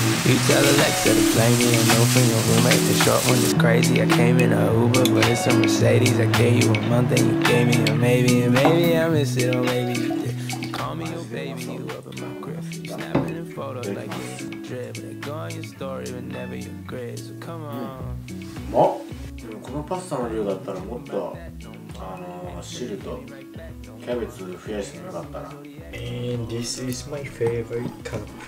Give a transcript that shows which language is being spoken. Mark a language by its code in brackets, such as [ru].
[en] You tell Alexa to play me a note from your roommate. The short one is crazy. I came in a Uber, but it's a Mercedes. I gave you a month and you gave me a maybe. And maybe I miss it, or maybe you did. You call me your baby, you up in my crib. Snapping in photos like it's a trip. But it go on your story, but never your grid. So come on. [ja] うまっ。このパスタの量だったらもっと汁とキャベツ増やしてもよかったな。 [en] And this is my favorite cup.